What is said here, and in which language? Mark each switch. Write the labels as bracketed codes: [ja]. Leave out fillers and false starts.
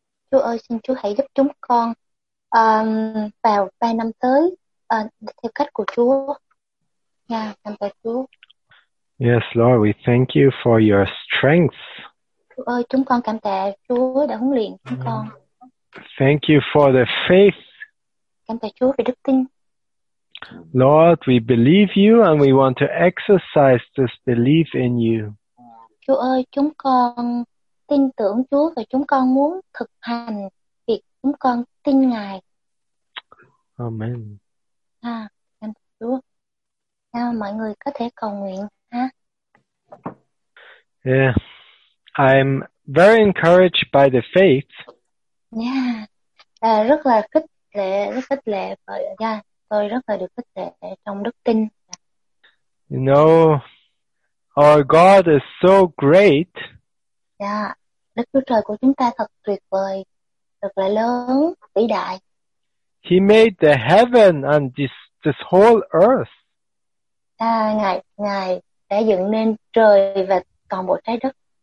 [vi] Chúa ơi, xin Chúa hãy giúp chúng con vào 3 năm tới theo cách của Chúa. Nha, cảm tạ Chúa. [en] Yes, Lord, we thank you for your strength. [vi] Chúa ơi, chúng con cảm tạ Chúa đã huấn luyện chúng con. [en] Thank you for the faith. [vi] Cảm tạ Chúa về đức tin. [en] Lord, we believe you and we want to exercise this belief in you. [vi] Chúa ơi, chúng con tin tưởng Chúa và chúng con muốn thực hành việc chúng con tin Ngài. [en] Amen. [vi] À, cảm tạ Chúa. Nào, mọi người có thể cầu nguyện ha. [en] Yeah. I'm very encouraged by the faith. [vi] Yeah. Rất khích lệ bởi yeah. Tôi rất là được khích lệ trong đức tin. [en] You know, our God is so great. [vi] Yeah, Đức Chúa Trời của chúng ta thật tuyệt vời, thật là lớn, vĩ đại. [en] He made the heaven and this whole earth. [vi] Ngài đã dựng nên trời và toàn bộ trái đất.